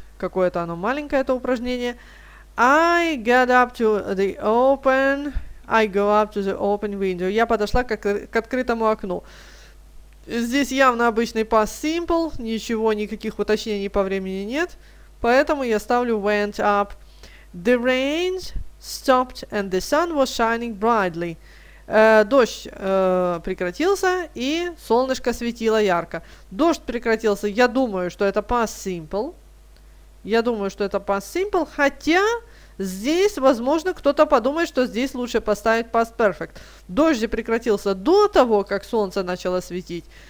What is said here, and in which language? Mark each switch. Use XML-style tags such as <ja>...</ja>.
<ru>Какое-то оно маленькое, это упражнение.</ru> <en>I get up to the open. I go up to the open window.</en> <ru>Я подошла к открытому окну. Здесь явно обычный past simple, ничего, никаких уточнений по времени нет, поэтому я ставлю</ru> <en>went up. The rain stopped and the sun was shining brightly.</en> <ru>Дождь прекратился и солнышко светило ярко. Дождь прекратился, я думаю, что это past simple. Я думаю, что это past simple, хотя Здесь, возможно, кто-то подумает, что здесь лучше поставить past perfect. Дождь прекратился до того, как солнце начало светить.</ru>